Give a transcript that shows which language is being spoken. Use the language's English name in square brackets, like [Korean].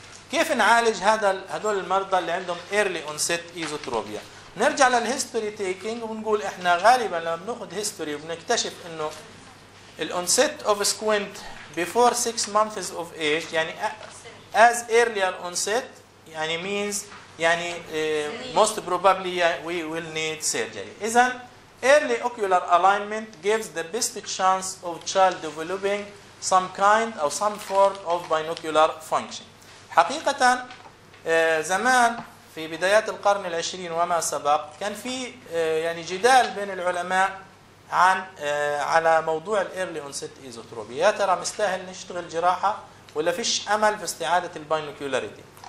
[Arabic] كيف نعالج هدول المرضى اللي عندهم ايرلي اونست ايزوتروبيا؟ نرجع للهيستوري تيكينج ونقول احنا غالبا لما بناخذ هيستوري وبنكتشف انه الاونست اوف سكوينت بيفور 6 مانثز اوف ايج، يعني از ايرلي اونست يعني مينز يعني [English] Most probably we will need surgery. [Arabic] اذا [English] early ocular alignment gives the best chance of child developing some kind or some form of binocular function. [Arabic] حقيقة زمان في بدايات القرن العشرين وما سبق كان في يعني جدال بين العلماء عن على موضوع [English] early onset [Arabic] ايزوتروبيا، يا ترى مستاهل نشتغل جراحة ولا فيش أمل في استعادة البينوكيولاريتي.